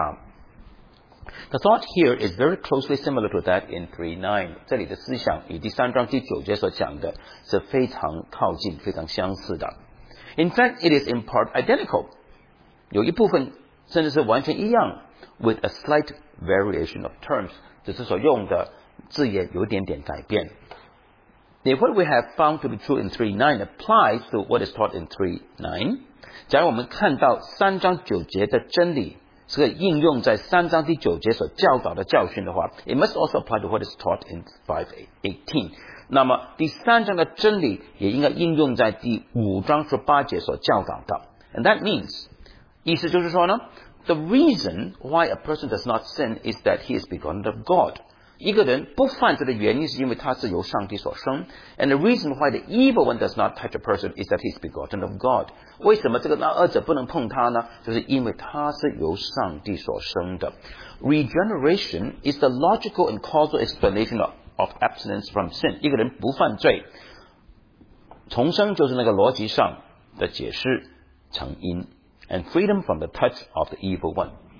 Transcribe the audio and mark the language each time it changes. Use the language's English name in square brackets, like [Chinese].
[Chinese] 第五章十八节说，我们知道凡从上帝生的必不犯罪，从上帝生的必保守自己，那二者也就无法害他。 [English] The thought here is very closely similar to that in 3:9. [Chinese] 这里的思想与第三章第九节所讲的是非常靠近、非常相似的。 [English] In fact, it is in part identical. [Chinese] 有一部分 甚至是完全一样 [English] with a slight variation of terms [Chinese] 只是所用的字眼有点点改变 [English] What we have found to be true in 3:9 applies to what is taught in 3:9 [Chinese] 假如我们看到三章九节的真理是应用在三章第九节所教导的教训的话 [English] It must also apply to what is taught in 5:18 [Chinese] 那么第三章的真理也应该应用在第五章十八节所教导的 [English] And that means [Chinese] 意思就是说呢 [English] The reason why a person does not sin is that he is begotten of God. [Chinese] 一个人不犯罪的原因是因为他是由上帝所生。 [English] And the reason why the evil one does not touch a person is that he is begotten of God. [Chinese] 为什么这个那恶者不能碰他呢？就是因为他是由上帝所生的。 [English] Regeneration is the logical and causal explanation of abstinence from sin. [Chinese] 一个人不犯罪，重生就是那个逻辑上的解释成因。 [English] And freedom from the touch of the evil one.